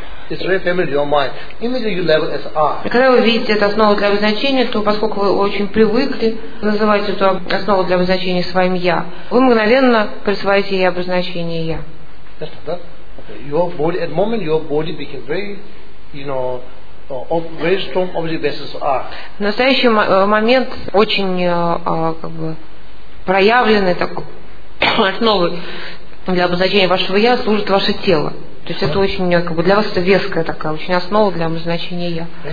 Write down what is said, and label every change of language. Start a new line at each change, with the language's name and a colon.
English: It's very familiar to your mind. Immediately you label as I.
Russian: Когда вы видите эту основу для обозначения, то поскольку вы очень привыкли называть эту основу для обозначения своим я, вы мгновенно присваиваете ей обозначение я.
English: Yes, okay. Your body, at the moment, your body became very, you know, very strong object basis I.
Russian: В настоящий момент очень как бы проявленной такой основой для обозначения вашего я служит ваше тело. То есть это очень, как бы, для вас это веская такая, очень основа для обозначения «я».